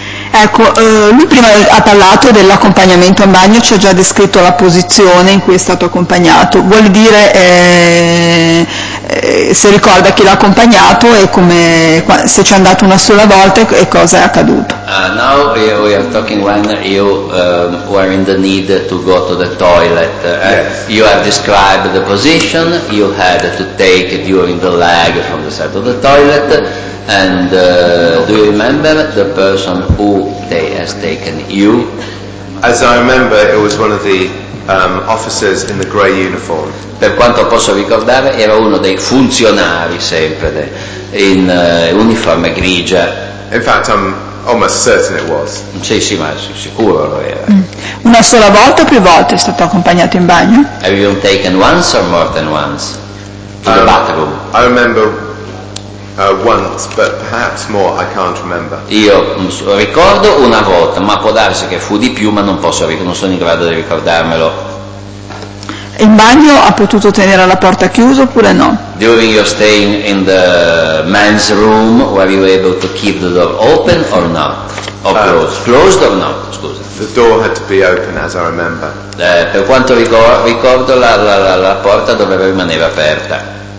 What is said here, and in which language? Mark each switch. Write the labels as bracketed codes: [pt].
[it] Ecco, lui prima ha parlato dell'accompagnamento in bagno, ci ha già descritto la posizione in cui è stato accompagnato. Vuol dire se ricorda chi l'ha accompagnato e come, se ci è andato una sola volta e cosa è accaduto. [en] Now we are talking when you were in the need to go to the toilet. Yes. You have described the position you had to take during the leg from the side of the toilet. And do you remember the person who has taken you As I remember, it was one of the officers in the grey uniform. [it] Per quanto posso ricordare, era uno dei funzionari sempre in uniforme grigia. [en] In fact, I'm almost certain it was. [it] Sì, ma sicuro lo era. Una sola volta o più volte è stato accompagnato in bagno? [en] Have you been taken once or more than once to the bathroom? I remember once, but perhaps more, I can't remember. [it] Io ricordo una volta, ma può darsi che fu di più, ma non sono in grado di ricordarmelo. In bagno ha potuto tenere la porta chiusa oppure no? [en] During your stay in the men's room, were you able to keep the door open or not? Or closed? Closed or not, scusa. The door had to be open, as I remember. [it] Per quanto ricordo, la porta doveva rimanere aperta.